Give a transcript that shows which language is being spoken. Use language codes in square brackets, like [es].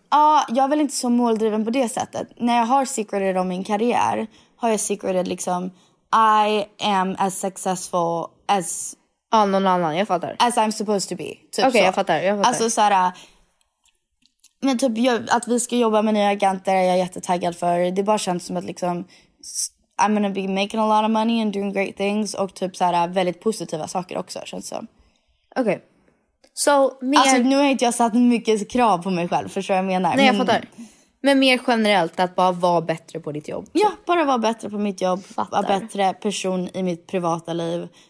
[sv] Ja, jag är väl inte så måldriven på det sättet. När jag har secreted om min karriär har jag secreted liksom [en] I am as successful as... [sv] Ja, någon annan, jag fattar. [en] As I'm supposed to be. [sv] Typ. Okej, jag fattar. Alltså såhär... Men typ att vi ska jobba med nya agenter är jag jättetaggad för. Det bara känns som att liksom... [en] I'm gonna be making a lot of money and doing great things. [sv] Och typ så här väldigt positiva saker också, känns som. Okej. Alltså, nu har inte jag satt mycket krav på mig själv, förstår jag menar. Nej, jag fattar. Men mer generellt, att bara vara bättre på ditt jobb. Så. Ja, bara vara bättre på mitt jobb. Fattar. Vara bättre person i mitt privata liv.